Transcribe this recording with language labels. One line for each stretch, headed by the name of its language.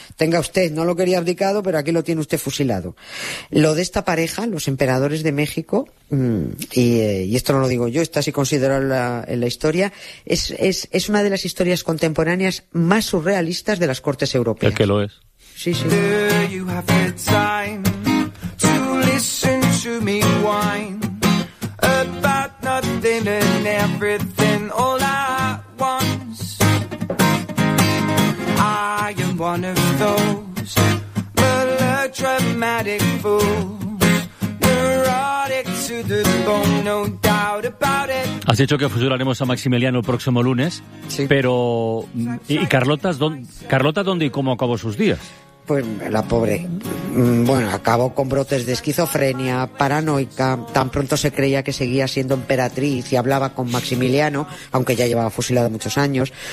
Spanish: Tenga usted, no lo quería abdicado, pero aquí lo tiene usted fusilado. Lo de esta pareja, los emperadores de México, y esto no lo digo yo, está así considerado en la historia, es una de las historias contemporáneas más surrealistas de las cortes europeas. Es que lo es. Sí, sí.
English: Do you have the time to listen to me whine? About nothing and everything all at once. I am one of those melodramatic fools, neurotic to the bone, no doubt about it.
Spanish: Has dicho que fusilaremos a Maximiliano el próximo lunes, sí. Pero ¿y Carlota dónde y cómo acabó sus días? Pues la pobre, bueno, acabó con brotes de esquizofrenia, paranoica. Tan pronto se creía que seguía siendo emperatriz y hablaba con Maximiliano, aunque ya llevaba fusilada muchos años.